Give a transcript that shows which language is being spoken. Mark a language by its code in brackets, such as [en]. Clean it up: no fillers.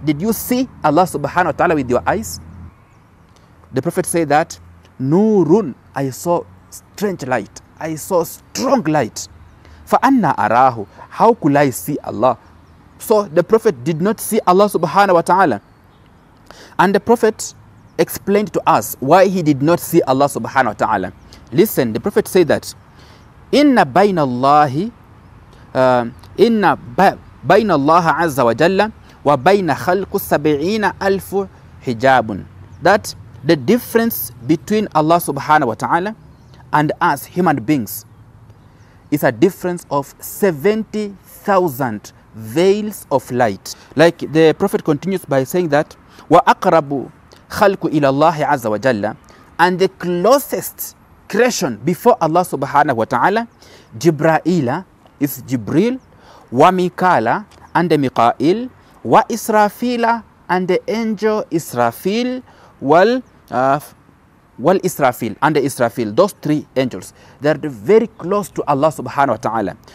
[en] Did you see Allah subhanahu wa ta'ala with your eyes? The Prophet said that, Nurun, I saw strange light. I saw strong light. [ar] Fa anna arahu, [en] how could I see Allah? So the Prophet did not see Allah subhanahu wa ta'ala. And the Prophet explained to us why he did not see Allah subhanahu wa ta'ala. Listen, the Prophet said that, [ar] Inna bayna Allahi, إن بين الله عز وجل وبين خلق سبعين ألف حجاب. [en] That the difference between Allah subhanahu wa ta'ala and us human beings is a difference of 70,000 veils of light. Like the Prophet continues by saying that [ar] وأقرب خلق إلى الله عز وجل, [en] and the closest creation before Allah subhanahu wa ta'ala, جبرائيل is Jibril, wa Mikala and the Mikail, wa Israfila and the angel Israfil, wal Israfil and the Israfil, those three angels, they are very close to Allah subhanahu wa ta'ala.